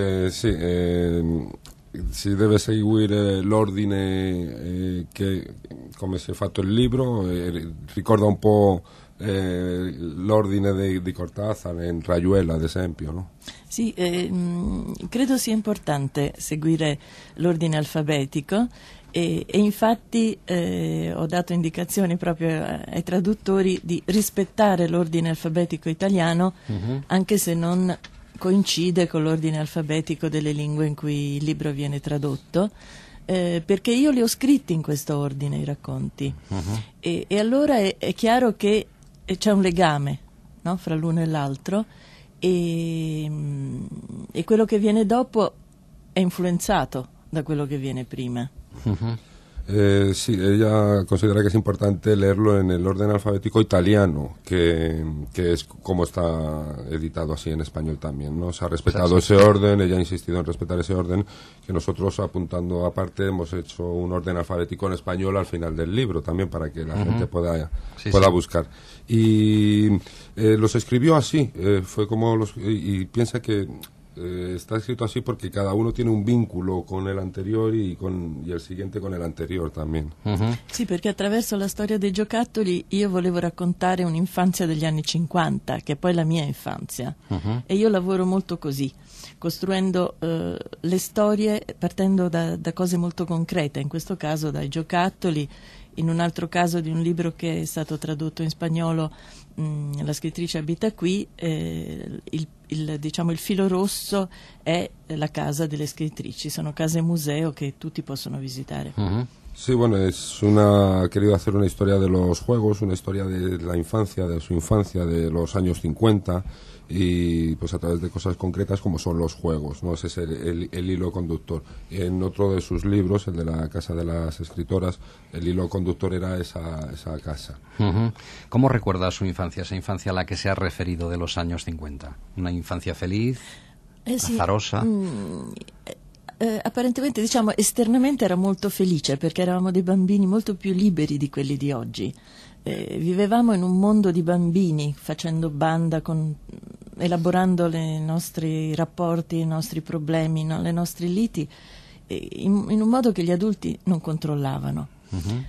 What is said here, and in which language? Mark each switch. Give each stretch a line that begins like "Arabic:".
Spanish: Sí, debe seguir el orden que como se fato el libro, recuerda un poco el orden de Cortázar en Rayuela, de ejemplo, ¿no? Sí, creo sea importante seguir el orden alfabético.
Italian: E infatti ho dato indicazioni proprio ai traduttori di rispettare l'ordine alfabetico italiano, mm-hmm. anche se non coincide con l'ordine alfabetico delle lingue in cui il libro viene tradotto, perché io li ho scritti in questo ordine i racconti. Mm-hmm. E allora è chiaro che c'è un legame, no? Fra l'uno e l'altro, e quello che viene dopo è influenzato da quello che viene prima. Uh-huh.
Spanish: Sí, ella considera que es importante leerlo en el orden alfabético italiano, que es como está editado así en español también, ¿no? Se ha respetado ese orden, ella ha insistido en respetar ese orden, que nosotros, apuntando aparte, hemos hecho un orden alfabético en español al final del libro también, para que la uh-huh. gente pueda buscar. Y los escribió así, fue como los... y piensa que... está escrito así porque cada uno tiene un vínculo con el anterior y el siguiente con el anterior también. Uh-huh. Sí, porque a través de la historia de
Italian: giocattoli yo volevo raccontare un'infanzia degli anni 50, que poi la mia infanzia. Uh-huh. E io lavoro molto così, costruendo le storie partendo da cose molto concrete, in questo caso dai giocattoli, in un altro caso di un libro che è stato tradotto in spagnolo, la scrittrice abita qui, il filo rosso è la casa delle scrittrici, sono case museo che tutti possono visitare. Uh-huh.
Spanish: Sí, bueno, querido hacer una historia de los juegos, una historia de la infancia, de su infancia, de los años 50, y pues a través de cosas concretas como son los juegos, ¿no? Ese es el hilo conductor. En otro de sus libros, el de la Casa de las Escritoras, el hilo conductor era esa casa. ¿Cómo recuerda su infancia, esa infancia a la que se ha referido de los años 50? ¿Una infancia feliz, azarosa?
Italian: Apparentemente, diciamo, esternamente era molto felice perché eravamo dei bambini molto più liberi di quelli di oggi. Vivevamo in un mondo di bambini, facendo banda, elaborando i nostri rapporti, i nostri problemi, no? Le nostre liti, in un modo che gli adulti non controllavano. Uh-huh.